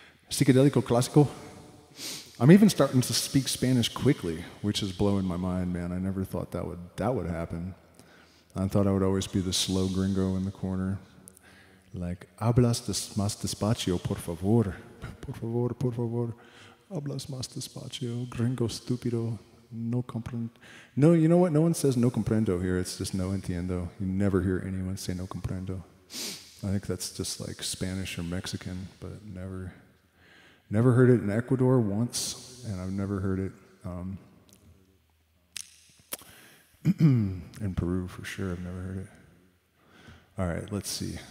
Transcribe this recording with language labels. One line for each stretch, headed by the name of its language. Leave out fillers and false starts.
English: Psychedelical classical. I'm even starting to speak Spanish quickly, which is blowing my mind, man. I never thought that would happen. I thought I would always be the slow gringo in the corner.
Spanish: Like, hablas más despacio, por favor. Por favor, por favor. Hablas más despacio, gringo estúpido. No comprendo.
English: No, you know what? No one says
Spanish: no comprendo
English: here. It's just
Spanish: no entiendo.
English: You never hear anyone say no comprendo. I think that's just like Spanish or Mexican, but never heard it in Ecuador once, and I've never heard it in Peru for sure. I've never heard it. All right, let's see.